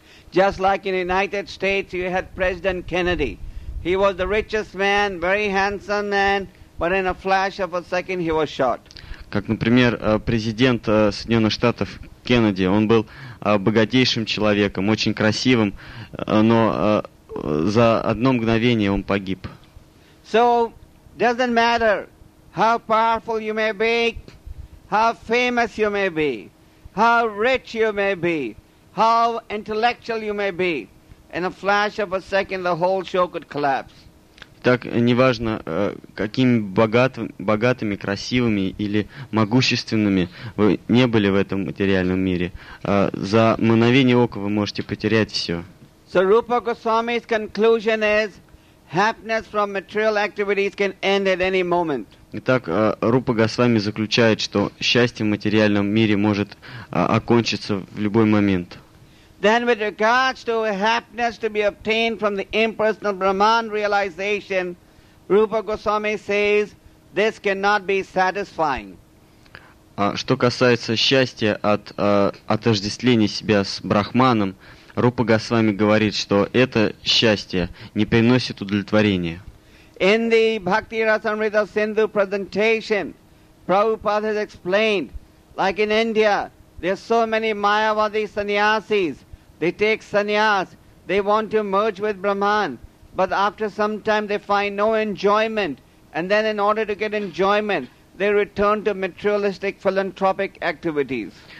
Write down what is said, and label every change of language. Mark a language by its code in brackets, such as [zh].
[en] Just like in the United States, you had President Kennedy. He was the richest man, very handsome man, but in a flash of a second he was shot. [ru] Как, например, президент Соединенных Штатов Кеннеди, он был богатейшим человеком, очень красивым, но за одно мгновение он погиб. [en] So, doesn't matter how powerful you may be, how famous you may be, how rich you may be, how intellectual you may be, in a flash of a second the whole show could collapse. [ru] Так неважно, какими богатыми, красивыми или могущественными вы не были в этом материальном мире, за мгновение ока вы можете потерять все. [en] So Rupa Goswami's conclusion is happiness from material activities can end at any moment. [ru] Итак, Рупа Госвами заключает, что счастье в материальном мире может окончиться в любой момент. [en] Then with regards to happiness to be obtained from the impersonal Brahman realization, Rupa Goswami says this cannot be satisfying. [ru] Что касается счастья от отождествления себя с Брахманом, Рупа Госвами говорит, что это счастье не приносит удовлетворения. [en] In the Bhakti Rasamrita Sindhu presentation, Prabhupada has explained, like in India, there are so many Mayavadi sannyasis. They take sannyas, they want to merge with Brahman, but after some time they find no enjoyment, and then in order to get enjoyment, they return to materialistic philanthropic activities.